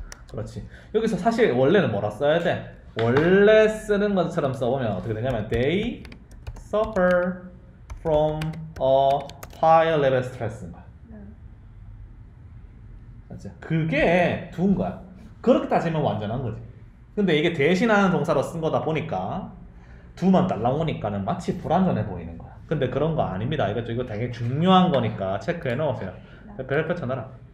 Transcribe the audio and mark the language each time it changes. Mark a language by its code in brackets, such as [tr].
[ko] 그렇지. 여기서 사실 원래는 뭐라 써야 돼? 원래 쓰는 것처럼 써보면 어떻게 되냐면 [en] They suffer from a high level stress. [ko] 네. 맞지? 그게 두인 거야. 그렇게 따지면 완전한 거지. 근데 이게 대신하는 동사로 쓴 거다 보니까 두만 달라오니까는 마치 불완전해 보이는 거야. 근데 그런 거 아닙니다. 이거 되게 중요한 거니까 체크해 놓으세요. 네. 별표 쳐놔라.